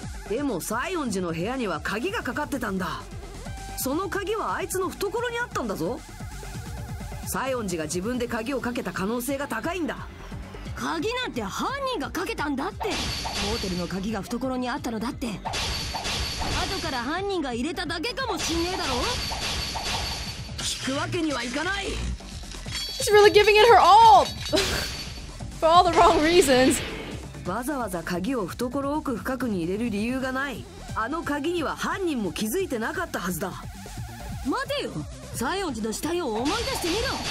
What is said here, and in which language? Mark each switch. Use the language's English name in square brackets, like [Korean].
[Japanese] でも西園寺の部屋には鍵がかかってたんだ。その鍵はあいつの懐にあったんだぞ。西園寺が自分で鍵をかけた可能性が高いんだ。鍵なんて犯人がかけたんだって。ホテルの鍵が懐にあったのだって後から犯人が入れただけかもしんねえだろ。聞くわけにはいかない。 [English] She's really giving it her all for all the wrong reasons。 [Japanese] わざわざ鍵を懐奥深くに入れる理由がない。あの鍵には犯人も気づいてなかったはずだ。待てよ、西園寺の死体を思い出してみろ。